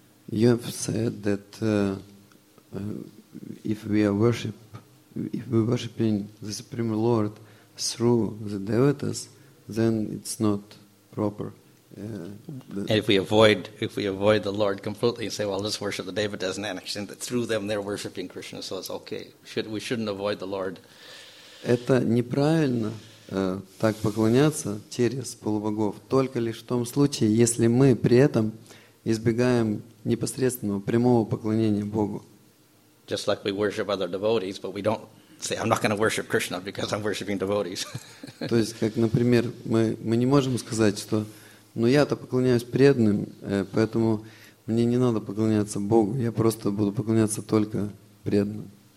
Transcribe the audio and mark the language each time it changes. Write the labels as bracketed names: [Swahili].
[English] You have said that if we're worshiping the Supreme Lord through the devotees, then it's not proper. If we avoid the Lord completely and say, well, let's worship the devotees, and then through them they're worshiping Krishna, so it's okay. We shouldn't avoid the Lord. [Russian] Это неправильно так поклоняться через полубогов только лишь в том случае, если мы при этом избегаем непосредственного прямого поклонения Богу. [English] Just like we worship other devotees, but we don't say, I'm not going to worship Krishna because I'm worshiping devotees. [Russian] То есть, как, например, мы не можем сказать, что, ну, я-то поклоняюсь преданным, поэтому мне не надо поклоняться Богу, я просто буду поклоняться только преданным.